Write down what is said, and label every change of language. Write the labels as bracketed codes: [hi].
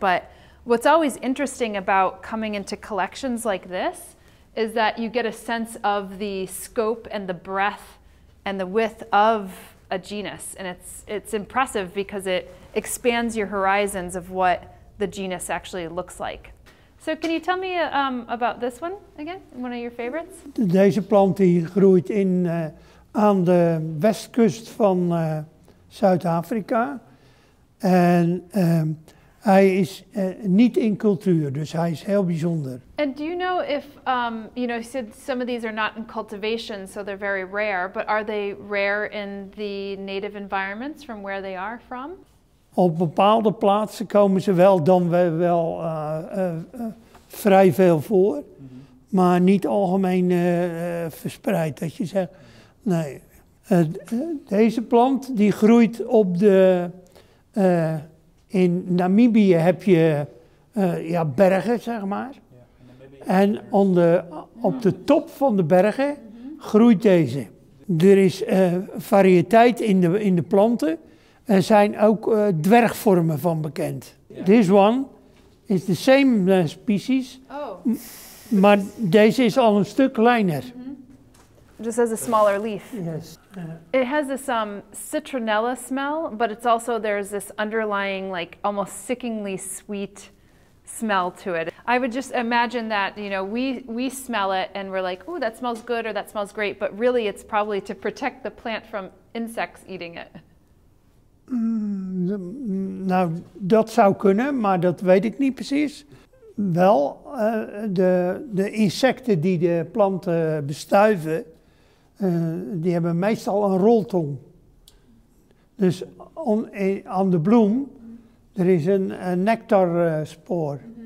[en] But what's always interesting about coming into collections like this is that you get a sense of the scope and the breadth and the width of a genus. And it's impressive because it expands your horizons of what the genus actually looks like. So can you tell me about this one again, one of your favorites? [nl] Deze plant die groeit in aan de westkust van Zuid-Afrika. En hij is niet in cultuur, dus hij is heel bijzonder. [en] And do you know if, you said some of these are not in cultivation, so they're very rare, but are they rare in the native environments from where they are from? [nl] Op bepaalde plaatsen komen ze wel dan wel vrij veel voor, mm-hmm. maar niet algemeen verspreid. Dat je zegt, nee. Deze plant die groeit op de in Namibië heb je bergen zeg maar, en op de top van de bergen groeit deze. Er is variëteit in de planten. Er zijn ook dwergvormen van bekend. Yeah. [en] This one is the same species, [nl] maar deze is al een stuk kleiner. [en] Mm-hmm. Just has a smaller leaf. Yes. It has this citronella smell, but it's also there's this underlying like almost sickeningly sweet smell to it. I would just imagine that, you know, we smell it and we're like, oh, that smells good or that smells great, but really it's probably to protect the plant from insects eating it. [nl] Nou, dat zou kunnen, maar dat weet ik niet precies. Wel, de insecten die de planten bestuiven, die hebben meestal een roltong. Dus aan de bloem, er is een nectarspoor.